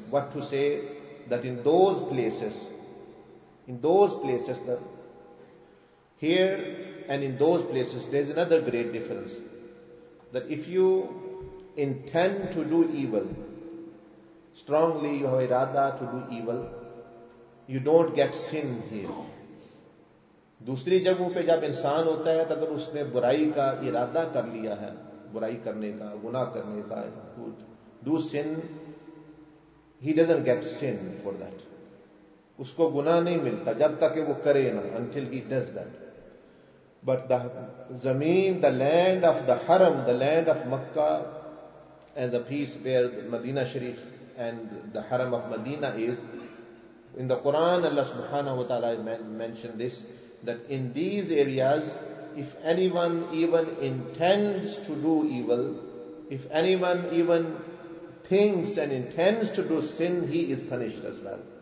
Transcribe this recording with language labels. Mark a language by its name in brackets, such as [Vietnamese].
[English] What to say that in those places, the here and in those places, there's another great difference. That if you intend to do evil, strongly you have irada to do evil, you don't get sin here. [Hindi] दूसरी जगहों पे जब इंसान होता है तो अगर उसने बुराई का इरादा कर लिया है, बुराई करने का, गुनाह करने का, [English] do sin, he doesn't get sin for that. [Hindi] उसको गुनाह नहीं मिलता जब तक वो करे ना, [English] until he does that. But the zameen, the land of the haram, the land of Makkah and the peace where Medina Sharif and the haram of Medina is, in the Quran, Allah subhanahu wa ta'ala mentioned this, that in these areas, if anyone even intends to do evil, if anyone even thinks and intends to do sin, he is punished as well.